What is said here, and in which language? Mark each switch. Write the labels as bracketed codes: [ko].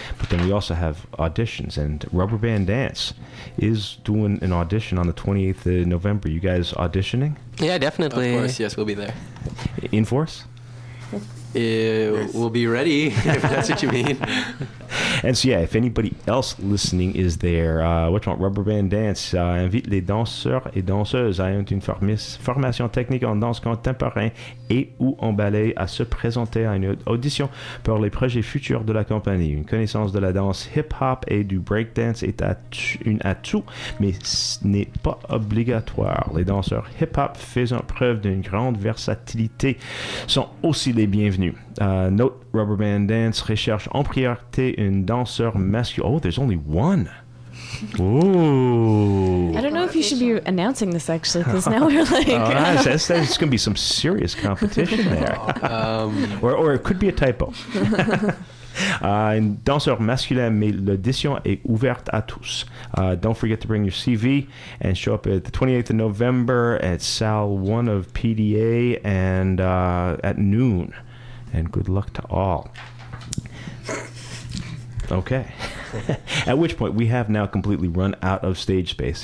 [en] But then we also have auditions, and Rubber Band Dance is doing an audition on the 28th of November. You guys auditioning? Yeah, definitely. Of course, yes, we'll be there. In force? We'll be ready, if that's what you mean. And so, yeah, if anybody else listening is there, which one? Rubber Band Dance. [fr] Invite les danseurs et danseuses à une formation technique en danse contemporaine et ou en ballet à se présenter à une audition pour les projets futurs de la compagnie. Une connaissance de la danse hip-hop et du breakdance est un atout, mais ce n'est pas obligatoire. Les danseurs hip-hop faisant preuve d'une grande versatilité sont aussi les bienvenus. Note, Rubber Band Dance recherche en priorité une danseur masculine. [en] Oh, there's only one. Ooh. I don't know if you should be announcing this, actually, because now we're like... Oh, nice. That's going to be some serious competition there. or it could be a typo. [fr] Une danseur masculin, mais l'audition est ouverte à tous. [en] Don't forget to bring your CV and show up at the 28th of November at Sal 1 of PDA and at noon. And good luck to all. Okay. At which point, we have now completely run out of stage space.